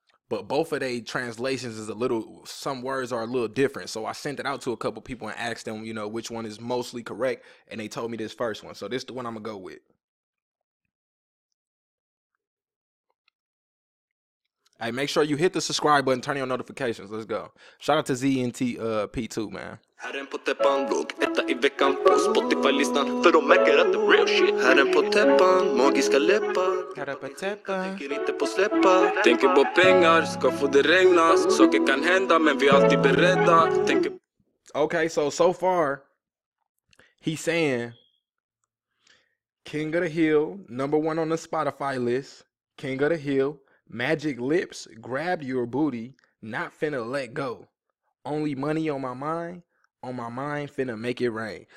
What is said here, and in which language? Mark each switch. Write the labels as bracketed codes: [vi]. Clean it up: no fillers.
[en] But both of their translations is a little, some words are a little different. So I sent it out to a couple people and asked them, you know, which one is mostly correct. And they told me this first one. So this is the one I'm going to go with. Hey, make sure you hit the subscribe button, turn on notifications. Let's go. Shout out to ZNT P2, man. [sv] Herren på täppan, låg etta i veckan på Spotify-listan. För de märker att det är [en] real shit. [sv] Herren på täppan, magiska läppar. Herren på täppan, tänker inte på släppa. Tänker på pengar, ska få det regnas. Saker kan hända, men vi är alltid beredda. Tänker... [en] Okay, so far, he's saying King of the Hill, number one on the Spotify list. King of the Hill, magic lips, grab your booty, not finna let go. Only money on my mind. On my mind, finna make it rain.